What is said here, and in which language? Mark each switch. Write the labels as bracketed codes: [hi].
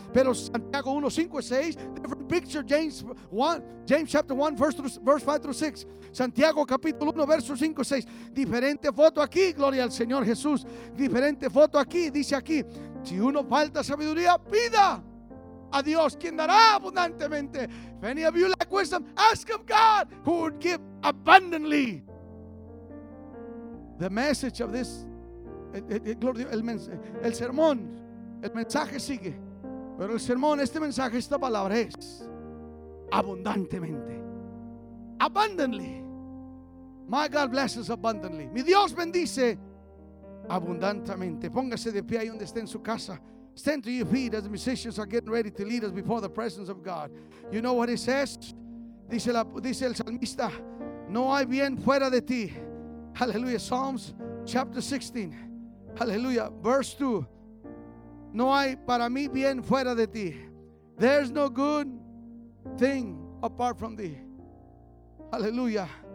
[es] Pero Santiago 1, 5 y 6, [en] different picture, James chapter 1, verse 5 through 6. [es] Santiago capítulo 1, verso 5 y 6. Diferente foto aquí, gloria al Señor Jesús. Diferente foto aquí, dice aquí, si uno falta sabiduría, pida a Dios, quien dará abundantemente. [en] If any of you lack wisdom, ask of God, who would give abundantly. The message of this, [es] el sermón, el mensaje sigue, pero el sermón, este mensaje, esta palabra es abundantemente, abundantly. [en] My God blesses abundantly. [es] Mi Dios bendice abundantemente. Póngase de pie ahí donde esté en su casa. [en] Stand to your feet as the musicians are getting ready to lead us before the presence of God. You know what it says? [es] Dice el salmista, no hay bien fuera de ti. [en] Hallelujah. Psalms chapter 16. Hallelujah. Verse 2. [es] No hay para mí bien fuera de ti. [en] There's no good thing apart from thee. [es] Hallelujah.